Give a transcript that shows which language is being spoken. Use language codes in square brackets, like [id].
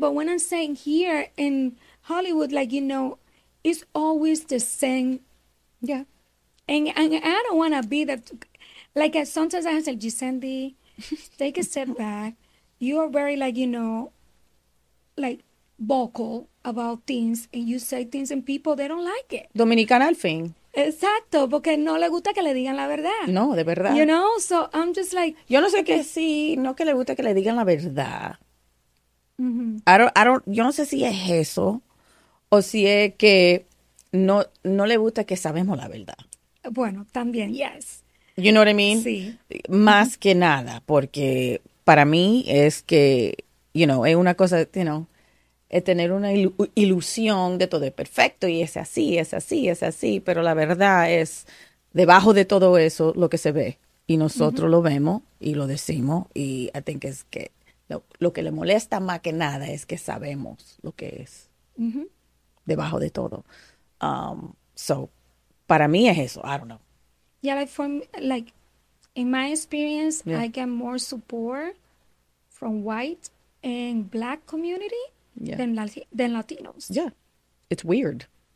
[en] But when I'm saying here in Hollywood, like, you know, it's always the same. Yeah. And I don't want to be that. Like, sometimes I say, Gisendi, take a step back. You are very, like, you know, like, vocal about things, and you say things, and people, they don't like it. [es] Dominicana al fin. Exacto, porque no le gusta que le digan la verdad. No, de verdad. [en] You know, so I'm just like... [es] Yo no sé qué si, no que le gusta que le digan la verdad. [en] I don't, [es] yo no sé si es eso, o si es que no le gusta que sabemos la verdad. Bueno, también, yes. [en] You know what I mean? [es] Sí. Más que nada, porque para mí es que, you know, es una cosa, you know, es tener una ilusión de todo es perfecto y es así, pero la verdad es debajo de todo eso lo que se ve y nosotros lo vemos y lo decimos y [en] I think [es] es que lo que le molesta más que nada es que sabemos lo que es debajo de todo. So, para mí es eso, [en] I don't know. Yeah, like from, like, in my experience, I get more support from white and black community. Yeah. Than Latinos. Yeah. It's weird.